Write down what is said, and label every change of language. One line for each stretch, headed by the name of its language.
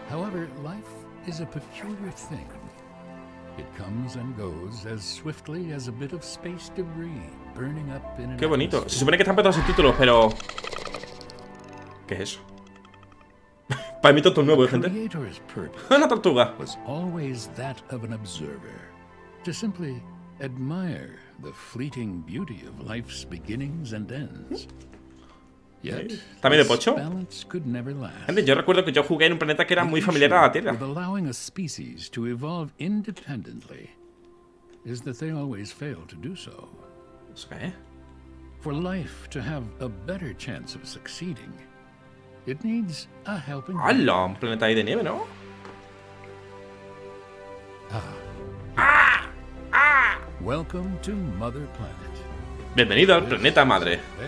English: However, life is a peculiar thing. It comes and goes as swiftly as a bit of space debris burning up in an.
Spanish: Qué bonito. Se supone que están petados en títulos, pero ¿qué es eso? Para mí todo es nuevo, gente. Una tortuga.
English: Was always that of an observer, to simply admire the fleeting beauty of life's beginnings and ends. Yet,
Spanish: también de pocho. Gente, yo recuerdo que yo jugué en un planeta que era muy familiar a la Tierra.
English: With allowing a species to evolve independently, is that they always fail to do so. Okay. For life to have a better chance of succeeding, it needs a helping.
Spanish: ¡Hala! Un planeta ahí de nieve, ¿no? Ah.
English: Ah. Ah. Welcome to Mother Planet.
Spanish: Bienvenido al planeta madre.